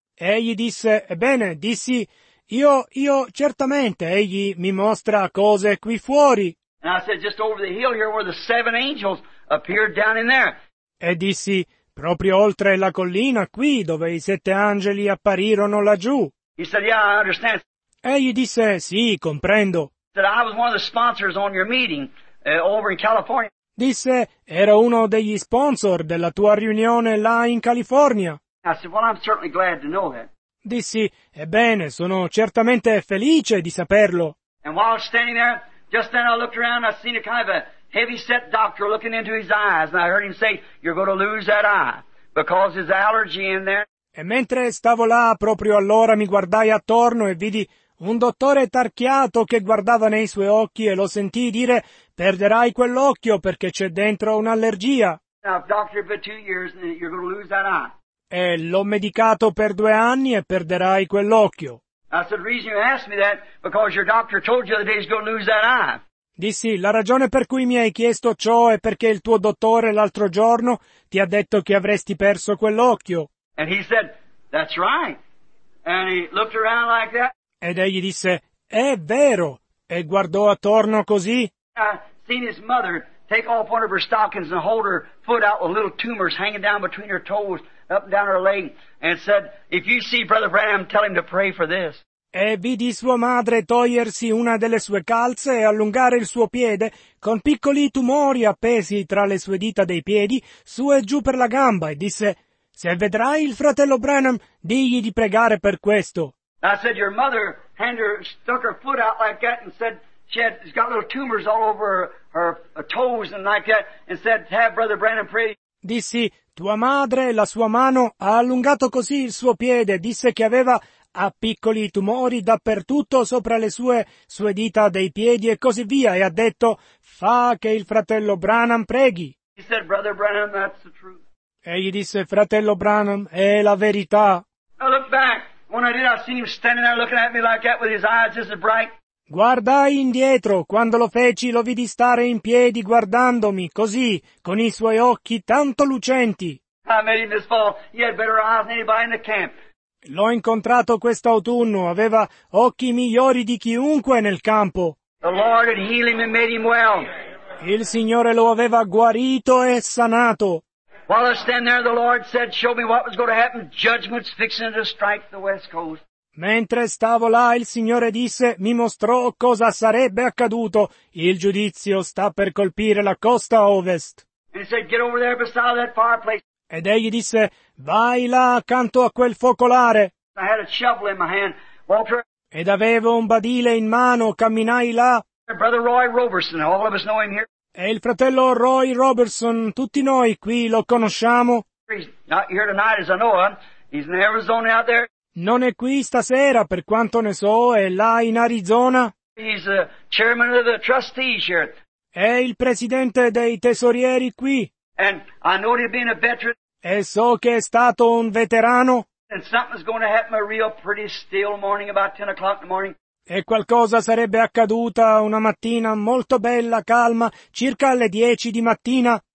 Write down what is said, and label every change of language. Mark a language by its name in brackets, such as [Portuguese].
[Italian] Egli disse, ebbene, dissi, io certamente, egli mi mostra cose qui fuori. [English] And I said, just over the hill here where the seven angels appeared down in there. [Italian] E dissi, proprio oltre la collina qui dove i sette angeli apparirono laggiù. [English] He said, yeah, I understand. [Italian] E gli disse, sì, comprendo. [English] He said, I was one of the sponsors on your meeting over in California. [Italian] Disse, ero uno degli sponsor della tua riunione là in California. [English] I said, well, I'm certainly glad to know that. [Italian] Dissi, ebbene, sono certamente felice di saperlo. [English] And while standing there, just then I looked around and I seen a kind of a heavy-set doctor looking into his eyes and I heard him say, you're going to lose that eye because his allergy in there. [Italian] E mentre stavo là, proprio allora mi guardai attorno e vidi un dottore tarchiato che guardava nei suoi occhi e lo sentii dire, perderai quell'occhio perché c'è dentro un'allergia. [English] Now, doctor, for 2 years and you're going to lose that eye. [Italian] E l'ho medicato per 2 anni e perderai quell'occhio. [English] I said, the reason you asked me that, because your doctor told you the other day he's going to lose that eye. [Italian] Dissi, la ragione per cui mi hai chiesto ciò è perché il tuo dottore l'altro giorno ti ha detto che avresti perso quell'occhio. [English] And he said, that's right. And he looked around like that. [Italian] Ed egli disse, è vero. E guardò attorno così. [English] I seen his mother take off one of her stockings and hold her foot out with little tumors hanging down between her toes, up and down her leg, and said, if you see Brother Branham, tell him to pray for this. [Italian] E vidi sua madre togliersi una delle sue calze e allungare il suo piede con piccoli tumori appesi tra le sue dita dei piedi su e giù per la gamba e disse, se vedrai il fratello Branham, digli di pregare per questo. [English] I said, your mother stuck her foot out like that and said, she's got little tumors all over her toes and like that and said, have Brother Branham pray. [Italian] Dissi, tua madre, la sua mano, ha allungato così il suo piede, disse che aveva a piccoli tumori dappertutto sopra le sue dita dei piedi e così via, e ha detto, fa che il fratello Branham preghi. [English] He said, Brother Branham, that's the truth. [Italian] E gli disse, fratello Branham, è la verità. [English] I looked back. When I did, I seen him standing there looking at me like that with his eyes just as bright. [Italian] Guardai indietro, quando lo feci lo vidi stare in piedi guardandomi, così, con i suoi occhi tanto lucenti. [English] I made him this fall. He had better eyes than anybody in the camp. [Italian] L'ho incontrato quest'autunno, aveva occhi migliori di chiunque nel campo. [English] The Lord had healed him and made him well. [Italian] Il Signore lo aveva guarito e sanato. [English] While I stand there, the Lord said, show me what was going to happen. Judgment's fixing to strike the west coast. [Italian] Mentre stavo là, il Signore disse, mi mostrò cosa sarebbe accaduto. Il giudizio sta per colpire la costa ovest. [English] And he said, get over there beside that fireplace. [Italian] Ed egli disse, vai là accanto a quel focolare. [English] I had a shovel in my hand, Walter. [Italian] Ed avevo un badile in mano, camminai là. [English] Brother Roy Roberson, all of us know him here. [Italian] E il fratello Roy Roberson, tutti noi qui lo conosciamo. [English] He's not here tonight, as I know, he's in Arizona out there. [Italian] Non è qui stasera, per quanto ne so, è là in Arizona. [English] He's the chairman of the trustees here. [Italian] È il presidente dei tesorieri qui. [English] And I know he'd been a veteran. [Italian] E so che è stato un veterano. [English] And something's going to happen a real pretty still morning about 10 o'clock in the morning. [Italian] E qualcosa sarebbe accaduta una mattina molto bella, calma, circa alle 10 di mattina.